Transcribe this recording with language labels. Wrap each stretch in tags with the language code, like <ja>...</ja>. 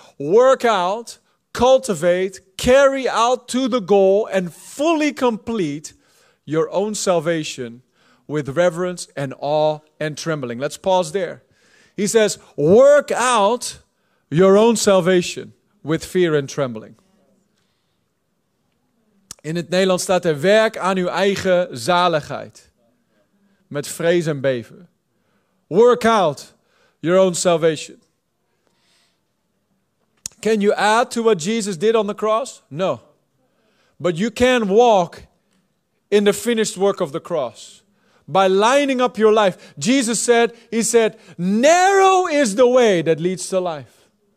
<en>Work out, cultivate, carry out to the goal, and fully complete your own salvation with reverence and awe and trembling. Let's pause there. He says, work out your own salvation with fear and trembling.</en> <nl>In het Nederlands staat er, werk aan uw eigen zaligheid. Met vrees en beven.</nl> <en>Work out your own salvation. Can you add to what Jesus did on the cross? No. But you can walk in the finished work of the cross. By lining up your life. Jesus said, he said, narrow is the way that leads to life.</en>